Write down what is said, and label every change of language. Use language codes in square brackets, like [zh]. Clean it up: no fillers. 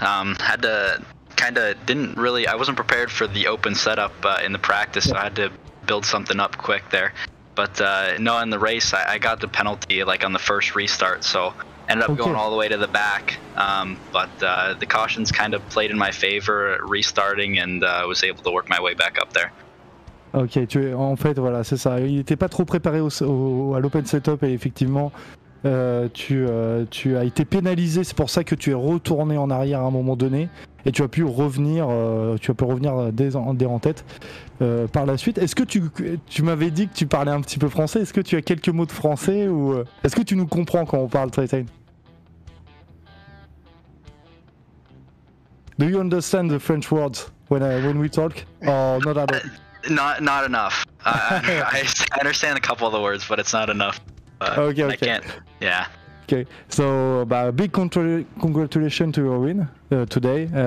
[en] I wasn't prepared for the open setup in the practice, so I had to build something up quick there. But no, in the race I got the penalty like on the first restart, so ended up going all the way to the back. But the cautions kind of played in my favor restarting, and I was able to work my way back up there. [fr] Ok, en fait voilà, c'est ça. Il n'était pas trop préparé à l'open setup et effectivement. Tu as été pénalisé, c'est pour ça que tu es retourné en arrière à un moment donné et tu as pu revenir, dès en tête par la suite. Est-ce que tu m'avais dit que tu parlais un petit peu français, est-ce que tu as quelques mots de français ou est-ce que tu nous comprends quand on parle Titan? [en] Do you understand the French words when we talk or not at all? Not enough. I understand a couple of the words, but it's not enough. Okay. I can't. Yeah. Okay. So, big congratulations to your win today.